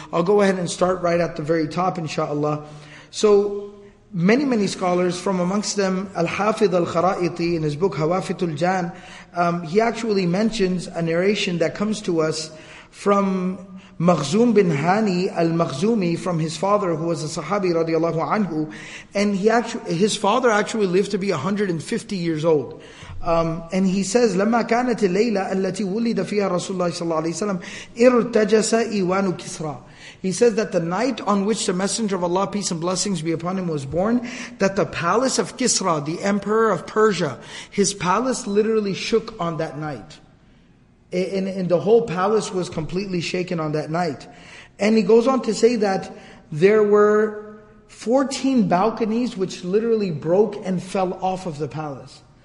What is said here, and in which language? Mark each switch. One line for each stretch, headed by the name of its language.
English: I'll go ahead and start right at the very top, inshallah. So, many, many scholars, from amongst them Al-Hafidh Al-Kharaiti in his book Hawafit Al-Jan, he actually mentions a narration that comes to us from Makhzum bin Hani Al-Makhzumi, from his father, who was a Sahabi radiallahu anhu. And his father actually lived to be 150 years old. And he says,
Arabic: لَمَّا كَانَتِ اللَّيْلَى أَلَّتِي وُلِّدَ فِيهَا رَسُولُ اللَّهِ صَلَّى اللَّهِ عَلَيْهِ وَسَلَّمَ إِرْتَجَسَ إِوَانُ كِسْرَى.
English: He says that the night on which the Messenger of Allah, peace and blessings be upon him, was born, that the palace of Kisra, the emperor of Persia, his palace literally shook on that night. And the whole palace was completely shaken on that night. And he goes on to say that there were 14 balconies which literally broke and fell off of the palace.